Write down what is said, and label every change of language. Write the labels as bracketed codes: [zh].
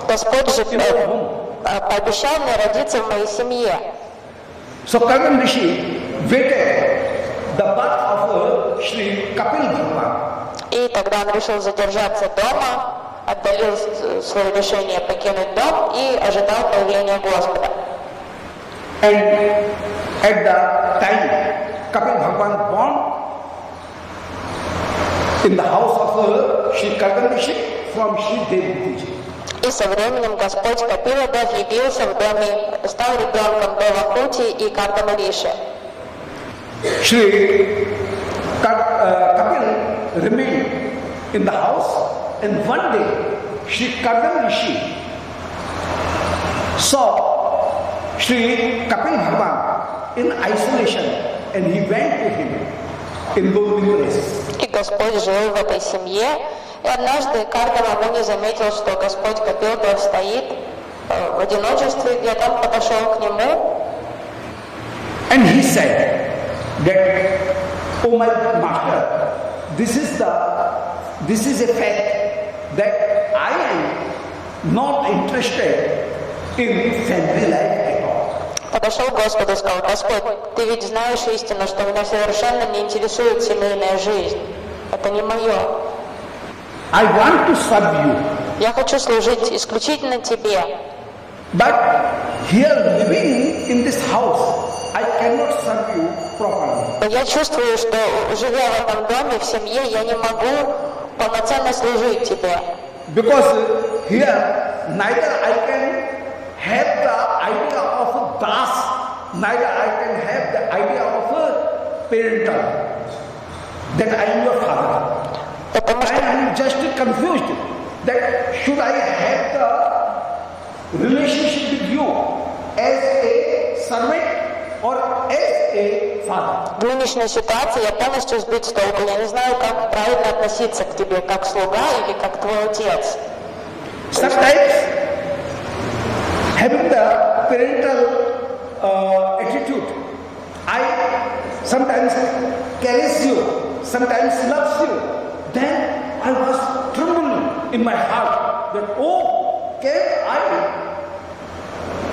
[ru] Господь же пообещал мне родиться в моей семье. [en] So Kardama Rishi waited the birth of Шри Капилдху. [ru] И тогда он решил задержаться дома, отдалил свое решение покинуть дом и ожидал появления Господа. [en] And at the time Kapil Bhagwan born in the house of Shri Kardama Rishi from Shri Devi. [ru] И со временем Господь Капиладев явился в доме, стал ребенком Девакути и Кардама Риши. [en] Шри Капил remained in the house, and one day Shri Kardama Rishi saw Shri Kapil Bhagwan in isolation, and he went to him in lonely place. [ru] И Господь жил в этой семье, и однажды Кардама Муни заметил, что Господь Капил Дев стоит в одиночестве, и я там подошел к нему. [en] And he said that, oh my master, this is a fact that I am not interested in family life at all. [ru] Подошел Господь и сказал, Господь, ты ведь знаешь истину, что меня совершенно не интересует семейная жизнь. Это не мое. [en] I want to serve you. [ru] Я хочу служить исключительно тебе. [en] But here living in this house, I cannot serve you properly. [ru] Я чувствую, что живя в этом доме, в семье, я не могу полноценно служить тебе. [en] Because here neither I can have the idea of das, neither I can have the idea of a parental, that I am your father. I am just confused that should I have the relationship with you as a servant or as a father. [ru] В нынешней ситуации я полностью сбит с толку. Я не знаю, как правильно относиться к тебе, как слуга или как твой отец. [en] Sometimes having the parental attitude, I sometimes caress you, sometimes loves you. Then I was trembling in my heart that, oh, can I